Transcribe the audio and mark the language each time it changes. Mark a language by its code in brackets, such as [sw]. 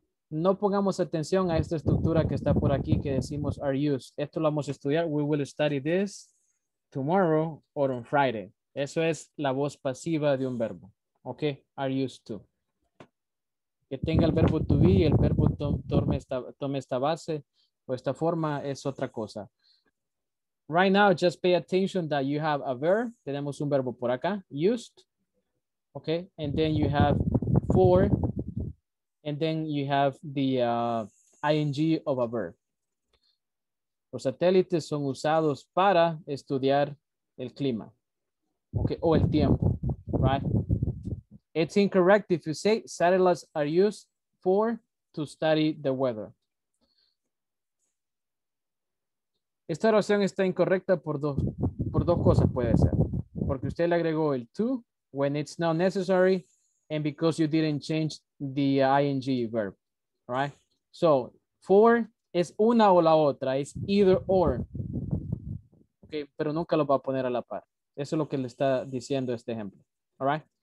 [es] No pongamos atención a esta estructura que está por aquí que decimos are used. Esto lo vamos a estudiar. [en] We will study this tomorrow or on Friday. [es] Eso es la voz pasiva de un verbo. Ok, are used to. Que tenga el verbo to be y el verbo tome esta base o esta forma es otra cosa. [en] Right now, just pay attention that you have a verb. [es] Tenemos un verbo por acá, [en] used. Okay, and then you have for, and then you have the ing of a verb. [es] Los satélites son usados para estudiar el clima. Okay, o el tiempo, right? [en] It's incorrect if you say satellites are used for to study the weather. [es] Esta oración está incorrecta por dos cosas puede ser. Porque usted le agregó el to [en] when it's not necessary and because you didn't change the ing verb, right? [es] So, for es una o la otra, es either or. Okay, pero nunca lo va a poner a la par. Eso es lo que le está diciendo este ejemplo, all right?